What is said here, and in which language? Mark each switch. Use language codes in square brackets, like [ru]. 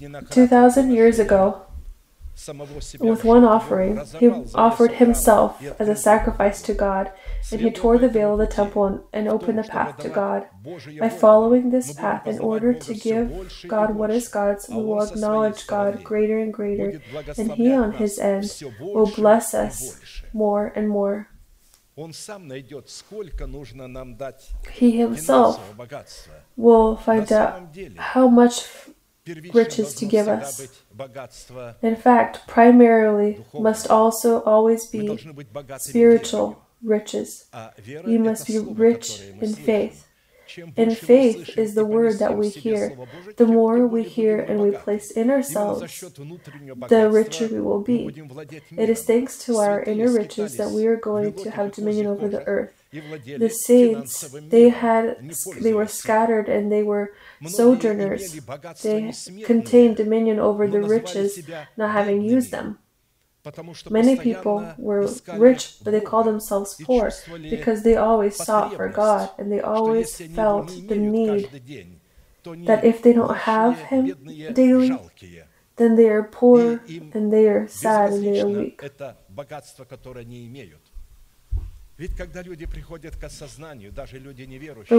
[en] 2,000 years ago, with one offering, he offered himself as a sacrifice to God, and he tore the veil of the temple and opened the path to God. By following this path, in order to give God what is God's, we will acknowledge God greater and greater, and he on his end will bless us more and more. [ru] Он сам найдет, сколько нужно нам дать. [en] He himself will find out how much riches to give us. In fact, primarily must also always be spiritual riches. You must be rich in faith. And faith is the word that we hear. The more we hear and we place in ourselves, the richer we will be. It is thanks to our inner riches that we are going to have dominion over the earth. The saints, they were scattered and they were sojourners. They contained dominion over the riches, not having used them. Many people were rich, but they called themselves poor because they always sought for God and they always felt the need that if they don't have Him daily, then they are poor and they are sad and they are weak. [ru] Ведь когда люди приходят к осознанию, даже люди неверующие,